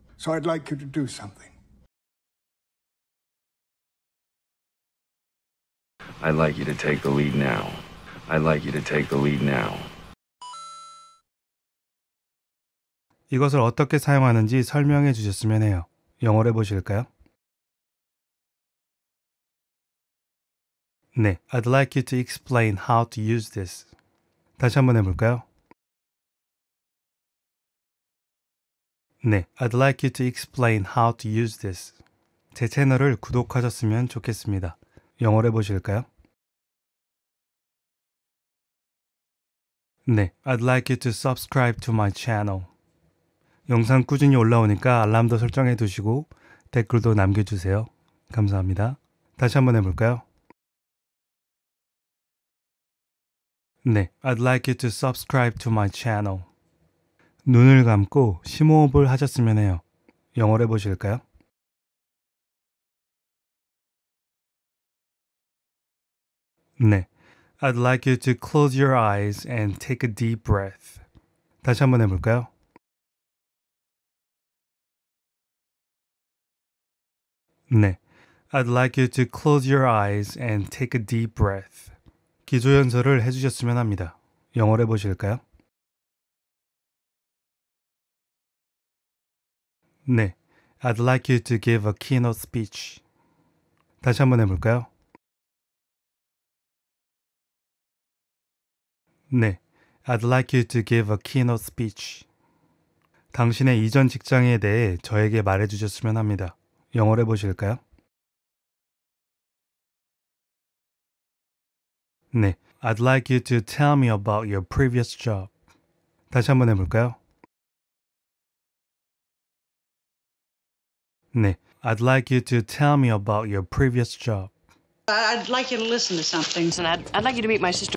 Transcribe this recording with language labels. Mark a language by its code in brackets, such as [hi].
[en] I'd like you to take the lead now. I'd like you to take the lead now. [ko] 이것을 어떻게 사용하는지 설명해 주셨으면 해요. 영어로 해보실까요? [en] 네, I'd like you to explain how to use this. [ko] 다시 한번 해볼까요? [en] 네, I'd like you to explain how to use this. [ko] 제 채널을 구독하셨으면 좋겠습니다. 영어로 해보실까요? [en] 네, I'd like you to subscribe to my channel. [ko] 영상 꾸준히 올라오니까 알람도 설정해 두시고 댓글도 남겨주세요. 감사합니다. 다시 한번 해볼까요? [en] 네, I'd like you to subscribe to my channel. [ko] 눈을 감고 심호흡을 하셨으면 해요. 영어로 해보실까요? [en] 네, I'd like you to close your eyes and take a deep breath. [ko] 다시 한번 해볼까요? [en] 네, I'd like you to close your eyes and take a deep breath. [ko] 기조 연설을 해주셨으면 합니다. 영어로 해보실까요? [en] 네, I'd like you to give a keynote speech. [ko] 다시 한번 해볼까요? [en] 네, I'd like you to give a keynote speech. [ko] 당신의 이전 직장에 대해 저에게 말해주셨으면 합니다. 영어로 해보실까요? [en] 네, I'd like you to tell me about your previous job. [ko] 다시 한번 해볼까요? [en] 네, I'd like you to tell me about your previous job. I'd like you to listen to something, and I'd like you to meet my sister.